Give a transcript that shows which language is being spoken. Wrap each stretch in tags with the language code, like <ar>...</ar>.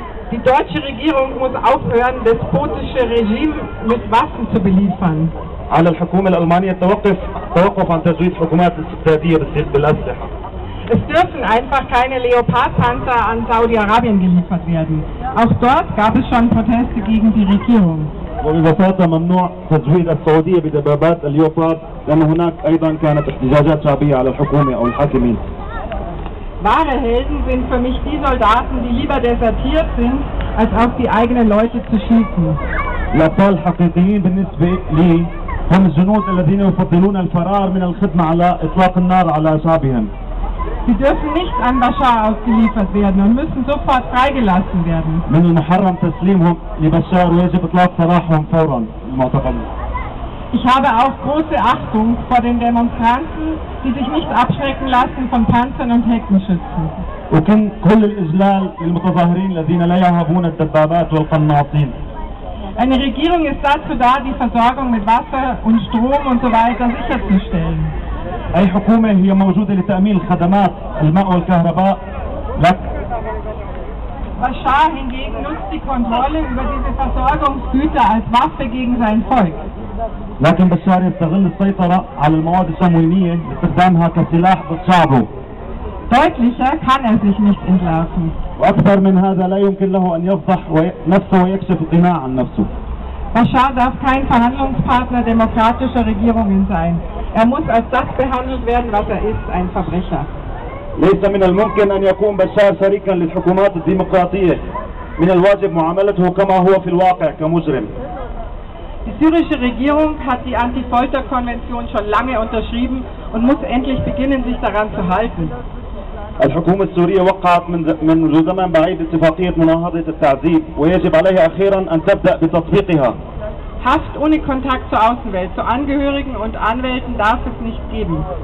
<de>Die deutsche Regierung muss aufhören, despotische Regime mit Waffen zu beliefern.</de> <ar>على الحكومة الألمانية توقف عن تزويد حكومات استبدادية بالأسلحة.</ar> <de>Es dürfen einfach keine Leopard-Panzer an Saudi-Arabien geliefert werden. Auch dort gab es schon Proteste gegen die Regierung.</de> <ar>وببساطة ممنوع تزويد السعودية بدبابات الليوبارد لأن هناك أيضا كانت احتجاجات شعبية على الحكومة أو الحاكمين.</ar> <de>Wahre Helden sind für mich die Soldaten, die lieber desertiert sind, als auf die eigenen Leute zu schießen.</de> <ar>الأبطال الحقيقيين بالنسبة لي هم الجنود الذين يفضلون الفرار من الخدمة على إطلاق النار على أصحابهم.</ar> <de>Sie dürfen nicht an Bashar ausgeliefert werden und müssen sofort freigelassen werden.</de> <ar>من المحرم تسليمهم لبشار ويجب إطلاق سراحهم فورا المعتقل.</ar> <de>Ich habe auch große Achtung vor den Demonstranten, die sich nicht abschrecken lassen von Panzern und Heckenschützen.</de> <ar>وكن كل الإجلال للمتظاهرين الذين لا يهابون الدبابات والقناصين.</ar> <de>Eine Regierung ist dazu da, die Versorgung mit Wasser und Strom und so weiter sicherzustellen.</de> <ar>أي حكومة هي موجودة لتأمين الخدمات الماء والكهرباء لك.</ar> <de>Bashar hingegen nutzt die Kontrolle über diese Versorgungsgüter als Waffe gegen sein Volk.</de> <ar>لكن بشار يستغل السيطرة على المواد السموينية لاستخدامها كسلاح ضد شعبه.</ar> <de>Deutlicher kann sich nicht entlarven.</de> <ar>وأكثر من هذا لا يمكن له أن يفضح نفسه ويكشف القناع عن نفسه.</ar> <de>Bashar darf kein Verhandlungspartner demokratischer Regierungen sein. Er muss als das behandelt werden, was ist, ein Verbrecher.</de> <ar>ليس من الممكن أن يكون بشار شريكا للحكومات الديمقراطية. من الواجب معاملته كما هو في الواقع كمجرم.</ar> <de>Die syrische Regierung hat die Anti-Folter-Konvention schon lange unterschrieben und muss endlich beginnen, sich daran zu halten.</de> <ar>الحكومة السورية وقعت منذ زمن بعيد اتفاقية مناهضة التعذيب ويجب عليها أخيرا أن تبدأ بتطبيقها.</ar> <de>Haft ohne Kontakt zur Außenwelt, zu Angehörigen und Anwälten darf es nicht geben.</de>